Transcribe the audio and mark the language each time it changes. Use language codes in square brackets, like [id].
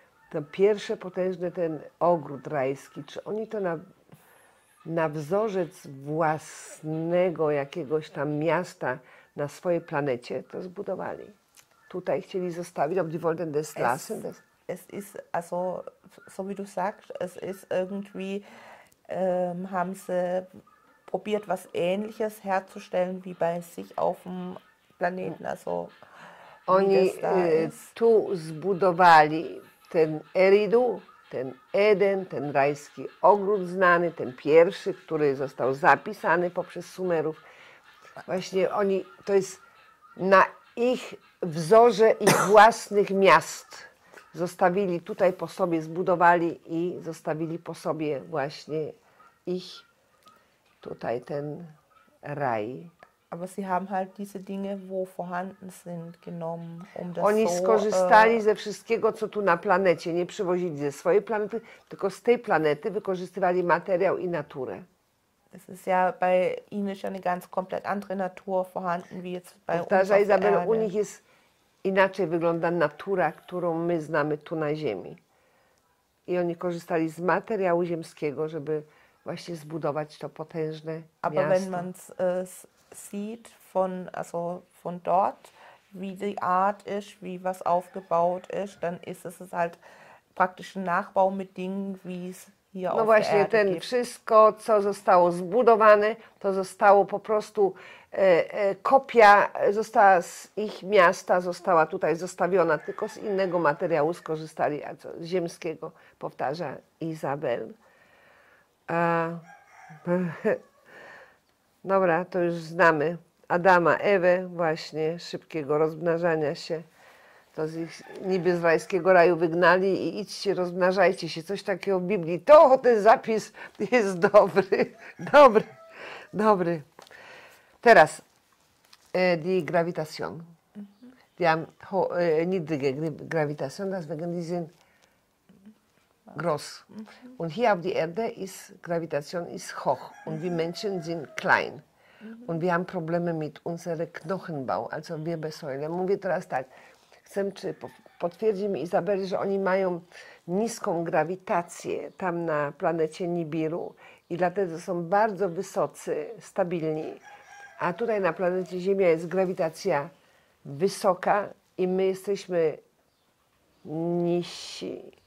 [pl] Ten pierwszy potężny ten ogród rajski, czy oni to na wzorzec własnego jakiegoś tam miasta na swojej planecie to zbudowali. Tutaj chcieli zostawić, [de] ob die wollten das lassen. Es ist, also, so wie du sagst, es ist irgendwie, haben sie probiert, was Ähnliches herzustellen wie bei sich auf dem Planeten. Also, [pl] oni tu zbudowali ten Eridu. Ten Eden, ten rajski ogród znany, ten pierwszy, który został zapisany poprzez Sumerów. Właśnie oni, to jest na ich wzorze ich własnych miast zostawili tutaj po sobie, zbudowali i zostawili po sobie właśnie ich tutaj ten raj. [de] Aber sie haben halt diese Dinge, wo vorhanden sind, genommen, um das [pl] oni skorzystali ze wszystkiego, co tu na planecie. Nie przywozili ze swojej planety, tylko z tej planety wykorzystywali materiał i naturę. [de] Es ist ja bei ihnen ist eine ganz komplett andere Natur vorhanden, wie jetzt bei uns. [pl] Powtarza Izabel, u nich jest inaczej wygląda natura, którą my znamy tu na Ziemi. I oni korzystali z materiału ziemskiego, żeby właśnie zbudować to potężne miasto. [de] Aber wenn man sieht von dort, wie die Art ist, wie was aufgebaut ist, dann ist es halt praktisch ein Nachbau mit Dingen, wie es hier auf der Erde gibt. [pl] Wszystko, co zostało zbudowane, to zostało po prostu kopia została z ich miasta, została tutaj zostawiona, tylko z innego materiału skorzystali, a co z ziemskiego, powtarza Izabel. Dobra, to już znamy Adama, Ewę, właśnie szybkiego rozmnażania się. To z ich niby z rajskiego raju wygnali i idźcie, rozmnażajcie się. Coś takiego w Biblii. To ten zapis jest dobry. Dobry, dobry. Teraz die Gravitation. [de] Die niedrige Gravitation, das wegen diesen groß. Und hier auf die Erde ist Gravitation ist hoch und wir Menschen sind klein. Und wir haben Probleme mit unserem Knochenbau, also Wirbelsäule. [pl] Mówię teraz tak, chcę, czy potwierdzi mi Izabeli, że oni mają niską grawitację tam na planecie Nibiru i dlatego są bardzo wysocy, stabilni. A tutaj na planecie Ziemia jest grawitacja wysoka i my jesteśmy niżsi.